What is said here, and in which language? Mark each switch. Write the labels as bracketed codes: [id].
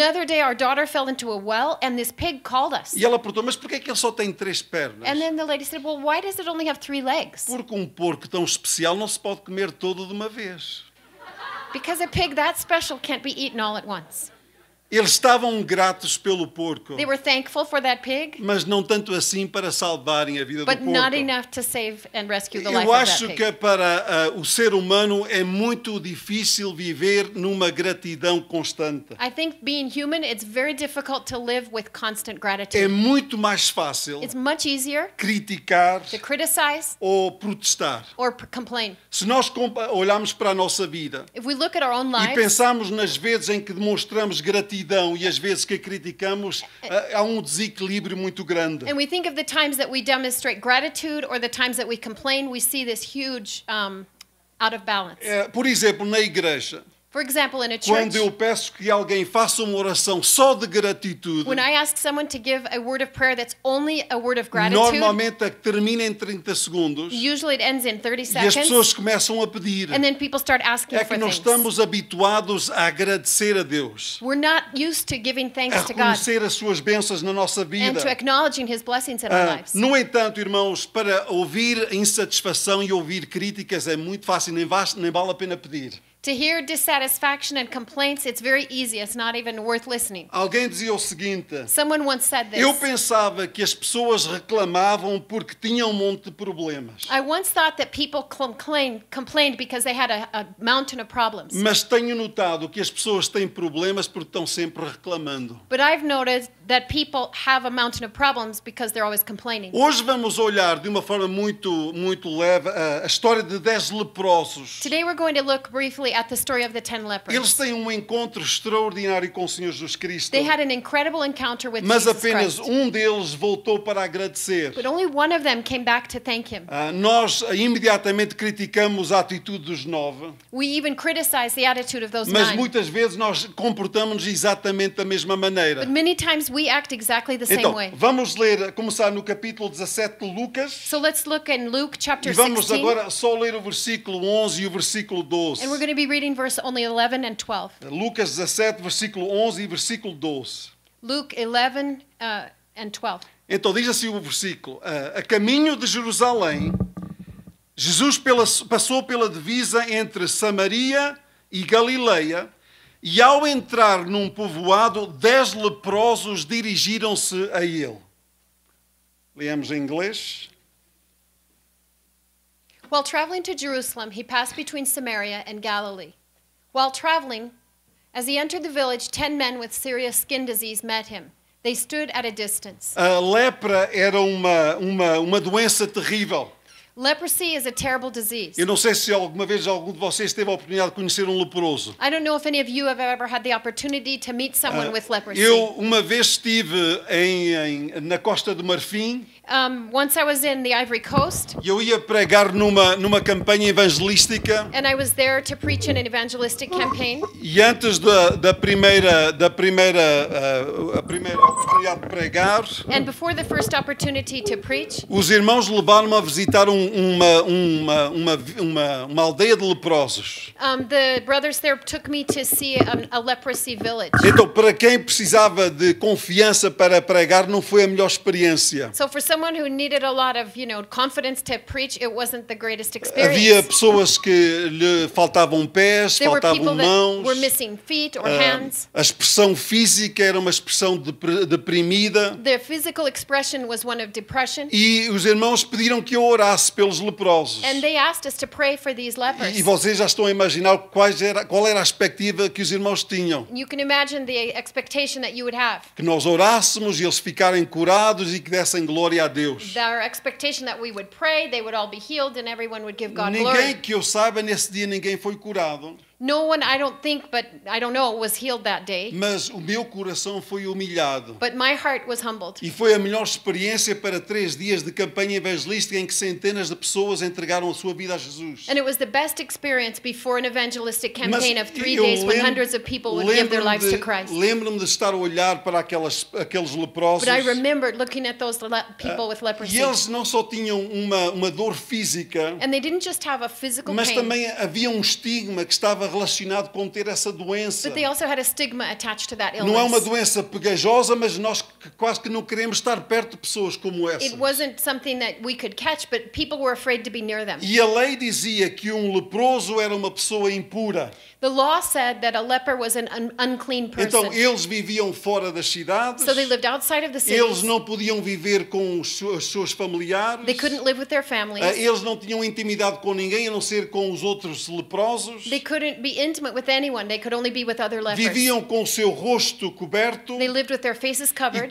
[en] Another day our daughter fell into a well and this pig called us. [pt] E ela perguntou, mas porquê é que ele só tem três pernas? [en] And then the lady said, well, why does it only have three legs? [pt] Porque um porco tão especial não se pode comer todo de uma vez. [en] Because a pig that special can't be eaten all at once. [pt] Eles estavam gratos pelo porco. [en] They were thankful for that pig. [pt] Mas não tanto assim para salvarem a vida [en] but [pt] do porco. [en] Not enough to save and rescue the [pt] Eu [en] life [pt] acho [en] of that pig. [pt] Que para o ser humano é muito difícil viver numa gratidão constante. [en] I think being human, it's very difficult to live with constant gratitude. [pt] É muito mais fácil [en] it's much easier [pt] criticar [en] to criticize [pt] ou protestar. [en] Or complain. [pt] Se nós olharmos para a nossa vida [en] if we look at our own lives, [pt] e pensarmos nas vezes em que demonstramos gratidão e às vezes que a criticamos há um desequilíbrio muito grande. [en] And we think of the times that we demonstrate gratitude or the times that we complain, we see this huge out of balance. [pt] Por exemplo, na igreja. [en] For example, in a church. [pt] Quando eu peço que alguém faça uma oração só de gratitude. [en] When I ask someone to give a word of prayer that's only a word of gratitude. [pt] Normalmente termina em 30 segundos. [en] Usually it ends in 30 seconds. [pt] E as pessoas começam a pedir. [en] And then people start asking for things. [pt] É que nós estamos habituados a agradecer a Deus. [en] We're not used to giving thanks to God. [pt] A reconhecer as suas bênçãos na nossa vida. [en] And to acknowledging his blessings in our lives. [pt] No entanto, irmãos, para ouvir insatisfação e ouvir críticas é muito fácil, nem vale a pena pedir. [en] To hear dissatisfaction and complaints, it's very easy. It's not even worth listening. [pt] Alguém dizia o seguinte. [en] Someone once said this. [pt] Eu pensava que as pessoas reclamavam porque tinham um monte de problemas. [en] I once thought that people complained because they had a mountain of problems. [pt] Mas tenho notado que as pessoas têm problemas porque estão sempre reclamando. [en] But I've noticed that people have a mountain of problems because they're always complaining. [pt] Hoje vamos olhar de uma forma muito, muito leve a história de 10 leprosos. [en] Today we're going to look briefly at the story of the 10 lepers. [pt] Eles têm um encontro extraordinário com o Senhor Jesus Cristo. [en] They had an incredible encounter with Jesus [pt] Mas apenas um deles voltou para agradecer. [en] But only one of them came back to thank him. [pt] Nós imediatamente criticamos a atitude dos 9. [en] We even criticize the attitude of those 9. [pt] Mas muitas vezes nós comportamos-nos exatamente da mesma maneira. [en] But many times we act exactly the [pt] então, [en] same way. [pt] Então, vamos ler, começar no capítulo 17 de Lucas. [en] So let's look in Luke chapter 16. [pt] E vamos agora só ler o versículo 11 e o versículo 12. [en] We're going to be reading verse only 11 and 12. [pt] Lucas 17, versículo 11 e versículo 12. [en] Luke 11 and 12. [pt] Então diz assim o versículo. A caminho de Jerusalém, Jesus passou pela divisa entre Samaria e Galileia e ao entrar num povoado, 10 leprosos dirigiram-se a ele. Leamos em inglês. [en] While traveling to Jerusalem, he passed between Samaria and Galilee. While traveling, as he entered the village, 10 men with serious skin disease met him. They stood at a distance. [pt] A lepra era uma doença terrível. [en] Leprosy is a terrible disease. [pt] Eu não sei se alguma vez algum de vocês teve a oportunidade de conhecer leproso. [en] I don't know if any of you have ever had the opportunity to meet someone with leprosy. [pt] Eu uma vez estive na Costa do Marfim. [en] Once I was in the Ivory Coast. [pt] Eu ia pregar numa campanha evangelística. [en] And I was there to preach in an evangelistic campaign. [pt] E antes da primeira oportunidade de pregar. [en] And before the first opportunity to preach. [pt] Os irmãos levaram-me a visitar uma aldeia de leprosos. [en] The brothers there took me to see a leprosy village. [pt] Então, para quem precisava de confiança para pregar, não foi a melhor experiência. [en] So for someone who needed a lot of, you know, confidence to preach, it wasn't the greatest experience. [pt] Havia pessoas que lhe faltavam pés, faltavam mãos. [en] Were missing feet or hands. [pt] A expressão física era uma expressão deprimida. [en] Their physical expression was one of depression. [pt] E os irmãos pediram que eu orasse pelos leprosos. [en] And they asked us to pray for these lepers. [pt] E vocês já estão a imaginar qual era a expectativa que os irmãos tinham. [en] You can imagine the expectation that you would have. [pt] Que nós orássemos e eles ficarem curados e que dessem glória a Deus. [en] Their expectation that we would pray, they would all be healed and everyone would give God [pt] ninguém [en] glory. [pt] Ninguém que eu saiba nesse dia ninguém foi curado. [en] No one, I don't think, but I don't know, was healed that day. [pt] Mas o meu coração foi humilhado. [en] But my heart was humbled. [pt] E foi a melhor experiência para três dias de campanha evangelística em que centenas de pessoas entregaram a sua vida a Jesus. [en] And it was the best experience before an evangelistic campaign of three days when hundreds of people would give their lives to Christ. [pt] Lembro-me de estar a olhar para aqueles leprosos. [en] But I remembered looking at those people with leprosy. [pt] E eles não só tinham uma dor física. [en] And they didn't just have a physical [pt] mas [en] pain. [pt] Mas também havia um estigma que estava relacionado com ter essa doença. [en] But they also had a stigma attached to that illness. [pt] Não é uma doença pegajosa, mas nós quase que não queremos estar perto de pessoas como essa. [en] It wasn't something that we could catch, but people were afraid to be near them. [pt] E a lei dizia que um leproso era uma pessoa impura. [en] The law said that a leper was an unclean person. [pt] Então eles viviam fora das cidades. [en] So they lived outside of the cities. [pt] Eles não podiam viver com os seus familiares. [en] They couldn't live with their families. [pt] Eles não tinham intimidade com ninguém a não ser com os outros leprosos. [en] They couldn't be intimate with anyone. They could only be with other lepers. [pt] Viviam com o seu rosto coberto. [en] They lived with their faces covered.